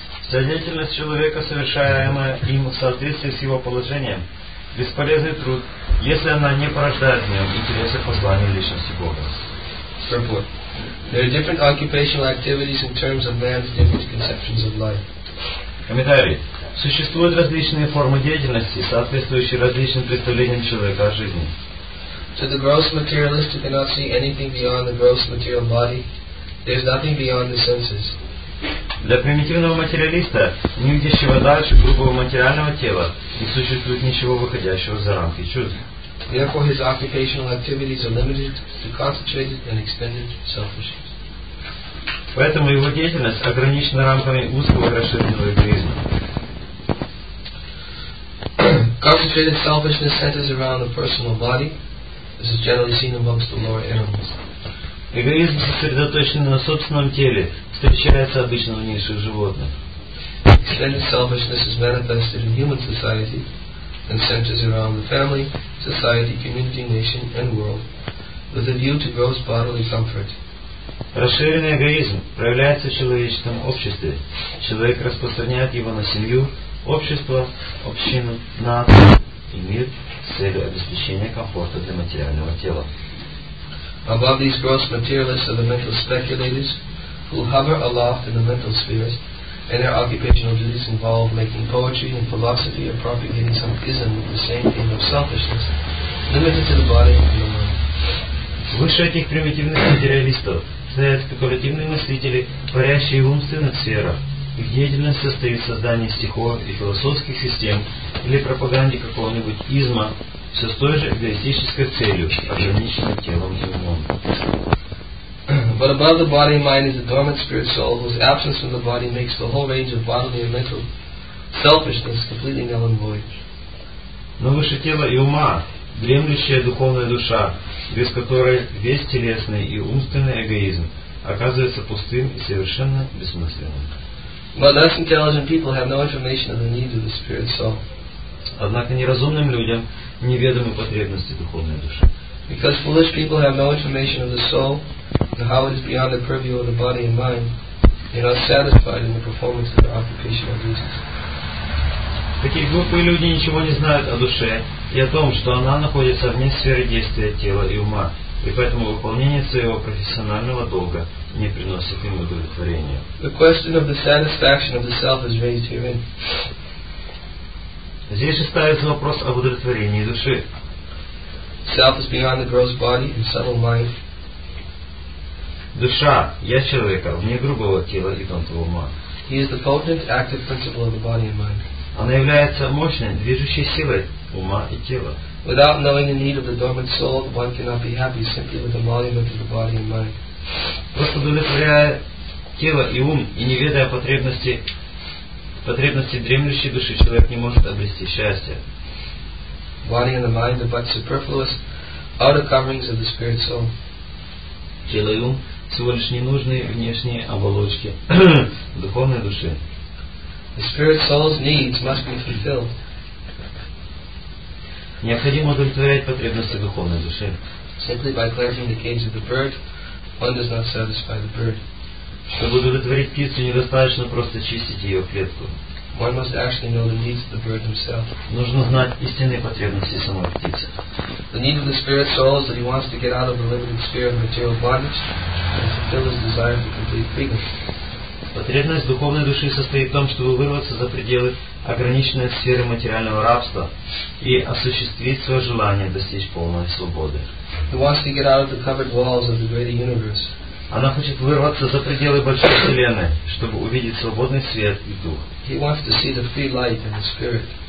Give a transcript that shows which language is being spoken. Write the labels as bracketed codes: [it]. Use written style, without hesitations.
[ru] Деятельность человека, совершаемая им в соответствии с его положением, бесполезный труд, если она не порождает в нем интересы послания личности Бога. [en] Support. There are different occupational activities in terms of man's different conceptions of life. [ru] Комментарий. Существуют различные формы деятельности, соответствующие различным представлениям человека о жизни. [en] To the gross materialist, who cannot see anything beyond the gross material body, there is nothing beyond the senses. [ru] Для примитивного материалиста, не видящего дальше грубого материального тела, не существует ничего выходящего за рамки чувств. [en] Therefore, his occupational activities are limited to concentrated and extended selfishness. [ru] Поэтому его деятельность ограничена рамками узкого и расширенного эгоизма. [en] Concentrated selfishness centers around the personal body. This is generally seen amongst the lower animals. [ru] Эгоизм, сосредоточенный на собственном теле, встречается обычно у низших животных. [en] Extended selfishness is manifested in human society and centers around the family, society, community, nation and world with a view to gross bodily comfort. [ru] Расширенный эгоизм проявляется в человеческом обществе. Человек распространяет его на семью, общество, общину, нацию и мир с целью обеспечения комфорта для материального тела. [en] Above these gross materialists are the mental speculators who hover aloft in the mental spheres, and their occupational duties involve making poetry and philosophy or propagating some ism with the same aim of selfishness, limited to the body and the mind. [ru] Выше этих примитивных материалистов стоят спекулятивные мыслители, парящие в умственных сферах. Их деятельность состоит в создании стихов и философских систем или пропаганде какого-нибудь изма, все с той же эгоистической целью, ограниченной телом и умом. [en] But above the body and mind is a dormant spirit soul whose absence from the body makes the whole range of bodily and mental selfishness completely null and void. [ru] Но выше тела и ума, дремлющая духовная душа, без которой весь телесный и умственный эгоизм оказывается пустым и совершенно бессмысленным. [en] But less intelligent people have no information of the needs of the spirit soul. [ru] Однако неразумным людям неведомы потребности духовной души. [en] Because foolish people have no information of the soul and how it is beyond the purview of the body and mind, they are not satisfied in the performance of their occupational duties. [ru] Такие глупые люди ничего не знают о душе и о том, что она находится вне сферы действия тела и ума, и поэтому выполнение своего профессионального долга не приносит им удовлетворения. [en] The question of the satisfaction of the self is raised herein. [ru] Здесь же ставится вопрос об удовлетворении души. [en] Self is behind the gross body and subtle mind. [ru] Душа, я человека, вне грубого тела и тонкого ума. [en] He is the potent, active principle of the body and mind. [ru] Она является мощной, движущей силой ума и тела. [en] Without knowing the need of the dormant soul, one cannot be happy simply with the emolument of the body and mind. [ru] Просто удовлетворяя тело и ум, и не ведая потребности дремлющей души, человек не может обрести счастье. [en] Body and the mind are but superfluous outer coverings of the spirit soul. [ru] Тело и ум всего лишь ненужные внешние оболочки духовной души. [en] The spirit soul's needs must be fulfilled. [ru] Необходимо удовлетворять потребности духовной души. [en] Simply by clearing the cage of the bird, one does not satisfy the bird. [ru] Чтобы удовлетворить птицу, недостаточно просто чистить ее клетку. [en] One must actually know the needs of the bird himself. [ru] Нужно знать истинные потребности самой птицы. [en] The need of the spirit soul is that he wants to get out of the limited sphere of material bondage and fulfill his desire for complete freedom. [ru] Потребность духовной души состоит в том, чтобы вырваться за пределы ограниченной сферы материального рабства и осуществить свое желание достичь полной свободы. [en] He wants to get out of the covered walls of the greater universe. [ru] Она хочет вырваться за пределы большой вселенной, чтобы увидеть свободный свет и дух. [en] He wants to see the free light and the spirit.